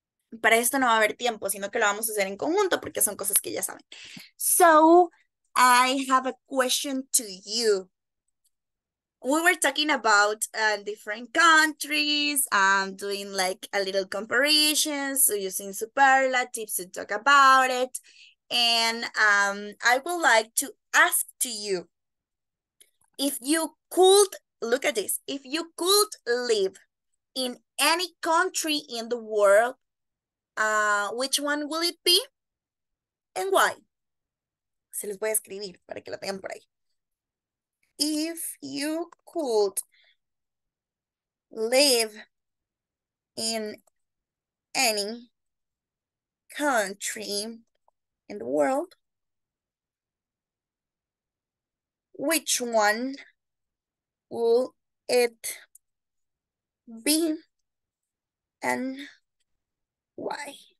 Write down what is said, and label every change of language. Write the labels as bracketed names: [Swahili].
[Spanish] Para esto no va a haber tiempo, sino que lo vamos a hacer en conjunto porque son cosas que ya saben. [English] So I have a question to you. We were talking about different countries and doing like a little comparisons, so using superlatives to talk about it. And I would like to ask to you, if you could, look at this, if you could live in any country in the world, which one will it be and why? [Spanish] Se los voy a escribir para que lo tengan por ahí. [English] If you could live in any country in the world, which one will it be and why?